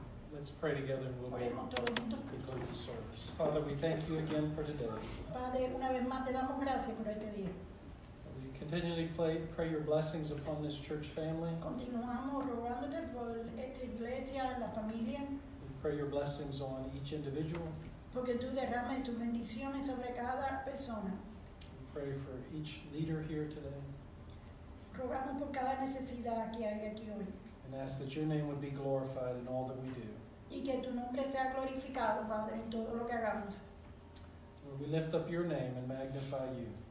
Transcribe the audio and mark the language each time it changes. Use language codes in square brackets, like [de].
[en] Let's pray together and we'll conclude the service. Father, we thank you again for today. [es] Padre, una vez más te damos gracias por este día. [en] We continually pray your blessings upon this church family. [es] Continuamos rogándote por esta iglesia, la familia. [en] We pray your blessings on each individual. [es] Porque tú derrames tus bendiciones sobre cada persona. [en] We pray for each leader here today. [es] Rogamos por cada necesidad que hay aquí hoy. [en] And ask that your name would be glorified in all that we do. [es] Y que tu nombre sea glorificado, Padre, en todo lo que hagamos. [en] Lord, we lift up your name and magnify you.